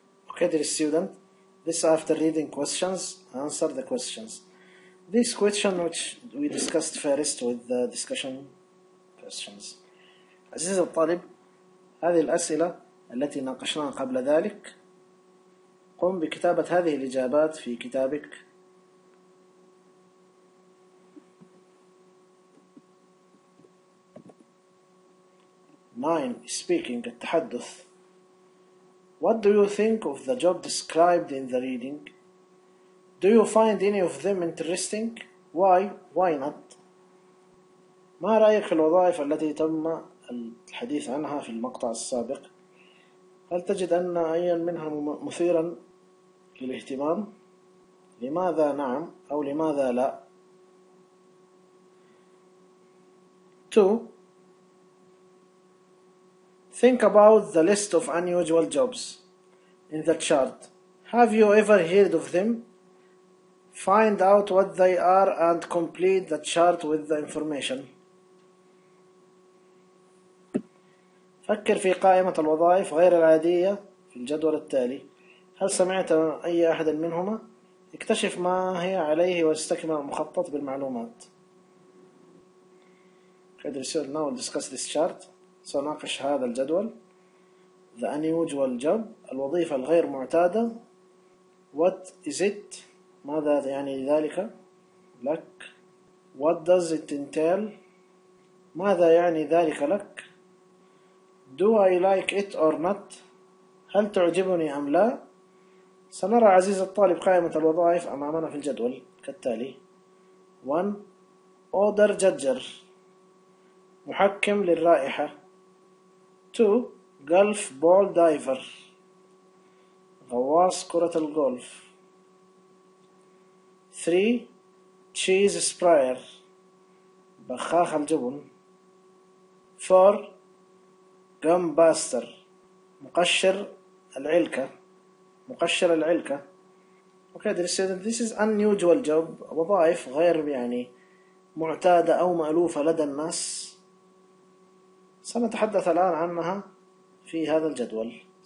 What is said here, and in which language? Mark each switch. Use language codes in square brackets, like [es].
[en] Okay, dear student, this after reading questions, answer the questions. This question which we discussed first with the discussion questions. [ar] عزيزي الطالب, هذه الأسئلة التي ناقشناها قبل ذلك, قم بكتابة هذه الإجابات في كتابك. [en] Nine, speaking, [ar] التحدث. [en] What do you think of the job described in the reading? Do you find any of them interesting? Why? Why not? [ar] ما رأيك في الوظائف التي تم الحديث عنها في المقطع السابق؟ هل تجد أن أي منها مثيرا للاهتمام؟ لماذا نعم أو لماذا لا؟ Two. [en] Think about the list of unusual jobs in the chart. Have you ever heard of them? Find out what they are and complete the chart with the information. [ar] فكر في قائمة الوظائف غير العادية في الجدول التالي. هل سمعت أي أحد منهما؟ اكتشف ما هي عليه واستكمل المخطط بالمعلومات. قدر يصير [en] now discuss this chart. [ar] سناقش هذا الجدول. [en] The unusual job. [ar] الوظيفة الغير معتادة. [en] What is it? [ar] ماذا يعني ذلك لك؟ [en] What does it entail? [ar] ماذا يعني ذلك لك؟ [en] Do I like it or not? [ar] هل تعجبني أم لا؟ سنرى عزيز الطالب قائمة الوظائف أمامنا في الجدول كالتالي. [en] 1. Order judger. [ar] محكم للرائحة. [en] 2. Golf ball diver. [ar] غواص كرة الغولف. [en] 3. Cheese sprayer. [ar] بخاخ الجبن. [en] 4. Gum buster. [ar] مقشر العلكة. مقشر العلكة. [en] Okay, this is unusual job. [ar] وظائف غير يعني معتادة أو مألوفة لدى الناس. سنتحدث الآن عنها في هذا الجدول.